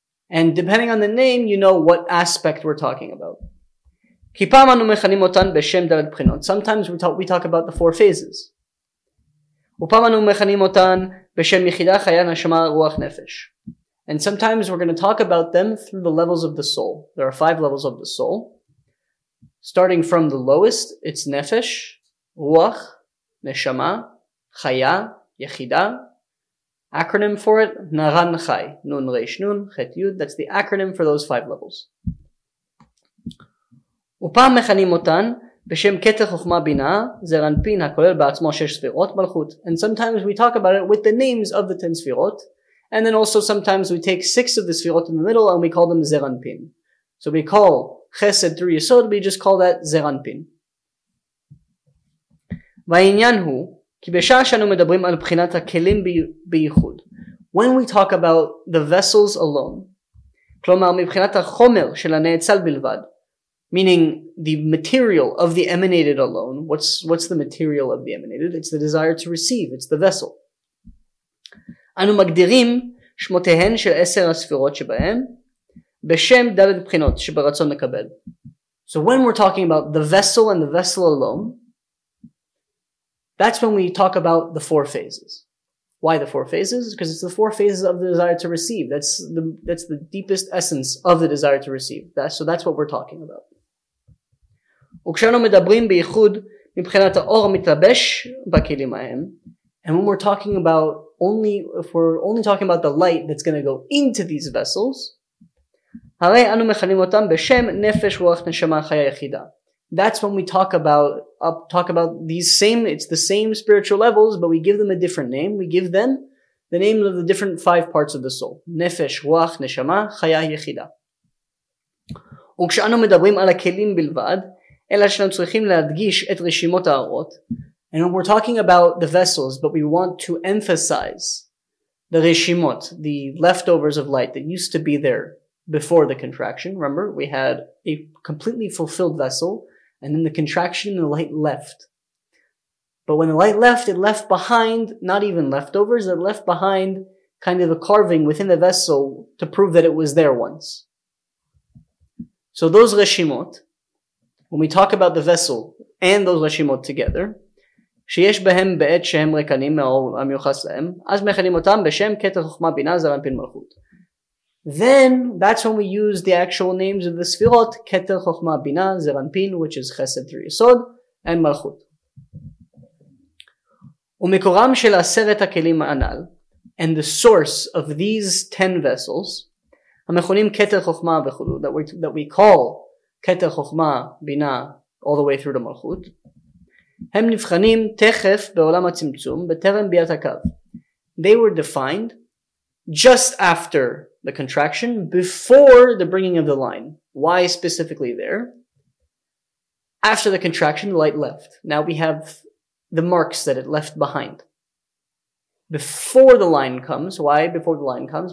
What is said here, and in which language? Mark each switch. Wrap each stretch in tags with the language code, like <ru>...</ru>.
<en>And depending on the name, you know what aspect we're talking about.</en> <he>כי פעם אנו מכנים אותן בשם דלת בחינות.</he> <en>Sometimes we talk about the 4 phases.</en> <he>ופעם אנו מכנים אותן בשם יחידה חיה נשמה רוח נפש.</he> <en>And sometimes we're going to talk about them through the levels of the soul. There are 5 levels of the soul. Starting from the lowest, it's nefesh, ruach, neshama, chaya, yechida. Acronym for it, naran chai, nun resh nun, chet yud. That's the acronym for those 5 levels.</en> <he>ופעם מכנים אותן בשם כתר חוכמה בינה זרנפין הכולל בעצמו 6 ספירות מלכות.</he> <en>And sometimes we talk about it with the names of the 10 ספירות, and then also sometimes we take 6 of the ספירות in the middle and we call them זרנפין. So we call חסד through יסוד, we just call that זרנפין.</en> <he>והעניין הוא כי בשעה שאנו מדברים על בחינת הכלים בייחוד,</he> <en>when we talk about the vessels alone,</en> <he>כלומר מבחינת החומר של הנאצל בלבד,</he> <en>meaning the material of the emanated alone. What's the material of the emanated? It's the desire to receive. It's the vessel.</en> <he>אנו מגדירים שמותיהן של 10 הספירות שבהן בשם דלת בחינות שברצון לקבל.</he> <en>So when we're talking about the vessel and the vessel alone, that's when we talk about the 4 phases. Why the 4 phases? Because it's the 4 phases of the desire to receive. That's the deepest essence of the desire to receive. So that's what we're talking about.</en> <he>וכשאנו מדברים בייחוד מבחינת האור המתלבש בכלים ההם,</he> <en>and when we're talking about only, if we're only talking about the light that's going to go into these vessels,</en> <he>הרי אנו מכנים אותם בשם נפש רוח נשמה חיה יחידה.</he> <en>That's when we talk about these same, it's the same spiritual levels, but we give them a different name. We give them the name of the different five parts of the soul. Nefesh, Ruach, Neshama, Chaya, Yechida.</en> <he>וכשאנו מדברים על הכלים בלבד, אלא שאנו צריכים להדגיש את רשימות האורות.</he> <en>And when we're talking about the vessels, but we want to emphasize the רשימות, the leftovers of light that used to be there before the contraction. Remember, we had a completely fulfilled vessel, and then the contraction and the light left. But when the light left, it left behind, not even leftovers, it left behind kind of a carving within the vessel to prove that it was there once. So those reshimot, when we talk about the vessel and those reshimot together,</en> <he>שיש בהם בעת שהם רקנים מאור המיוחס להם, אז מכנים אותם בשם קטר חוכמה בינה זרן פין מלכות.</he> <en>Then that's when we use the actual names of the Sefirot, Keter, Chochmah, Binah, Zeranpin, which is Chesed, Tri Yesod, and Malchut.</en> <he>ומקורם של עשרת הכלים הנ"ל,</he> <en>and the source of these 10 vessels, המכונים Keter, Chochmah, וכולו, that we call Keter, Chochmah, Binah, all the way through to Malchut,</en> <he>הם נבחנים תכף בעולם הצמצום, בטרם ביאת הקו.</he> <en>They were defined just after the contraction, before the bringing of the line. Why specifically there? After the contraction, the light left. Now we have the marks that it left behind. Before the line comes, why before the line comes?</en>